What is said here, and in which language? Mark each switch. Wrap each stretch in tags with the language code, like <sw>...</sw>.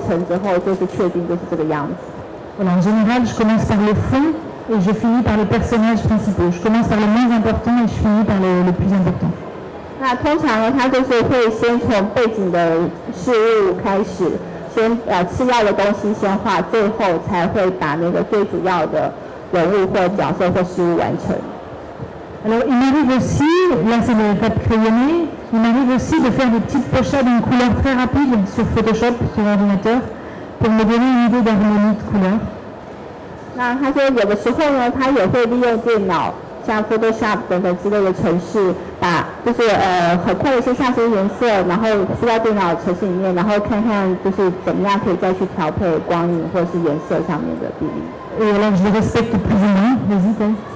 <fr>Voilà, en général, je commence par le fond et je finis par les personnages principaux. Je commence par le moins important et je finis par le plus important.</fr> <zh>那通常呢，他就是会先从背景的事物开始。先次要的东西先画，最后才会把那个最主要的人物或角色或事物完成。</zh> <fr>Alors il m'arrive aussi, là c'est le cas de crayonné, il m'arrive aussi de faire des petites pochades en couleur très rapide sur Photoshop, sur ordinateur, pour me donner une idée d'harmonie de couleur.</fr> <zh>那他说有的时候呢，他也会利用电脑，像 Photoshop 等等之类的程式，把就是很快的一些像是颜色，然后输到电脑程式里面，然后看看就是怎么样可以再去调配光影或是颜色上面的比例。</zh> <fr>Et alors je le respecte plus ou moins, n'hésite pas.</fr>